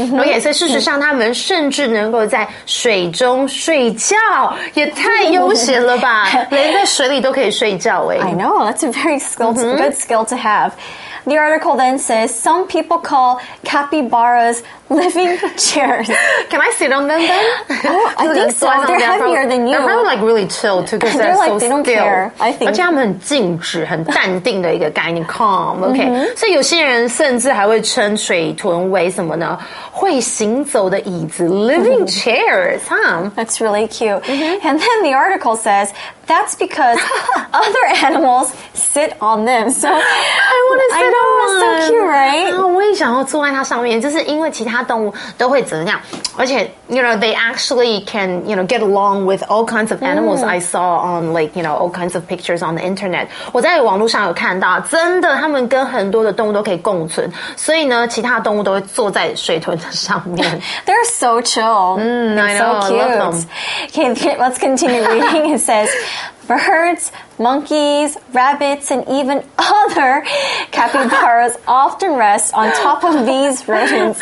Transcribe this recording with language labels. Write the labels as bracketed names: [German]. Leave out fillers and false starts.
[Chinese] OK, 所以事实上他们甚至能够在水中睡觉。也太悠闲了吧。连在水里都可以睡觉、 [English] 欸、I know, that's a very skill to,、mm-hmm. good skill to have. The article then says, some people call capybaras living chairs. Can I sit on them then? Oh, I think so. They're heavier than you. They're probably like really chill too because they're like, so still. They don't care, I think. [Chinese] 而且他们很静止很淡定的一个概念 [English] calm, okay. [Chinese] 所以有些人甚至还会称水豚为什么呢会行走的椅子 [English] living chairs, huh? That's really cute.、Mm-hmm. And then the article says, that's because other animals sit on them. So, I want to sit on them. I know, it's so cute, right? [Chinese] 我也想要坐在它上面就是因为其他动物都会怎样而且 [English] you know, they actually can you know, get along with all kinds of animals、mm. I saw on like, you know, all kinds of pictures on the internet. [Chinese] 我在网络上有看到真的他们跟很多的动物都可以共存所以呢其他动物都会坐在水豚的上面 [English] They're so chill. I know, so cute. I love them. Okay, let's continue reading. It says, birds, monkeys, rabbits, and even other capybaras often rest on top of these rodents.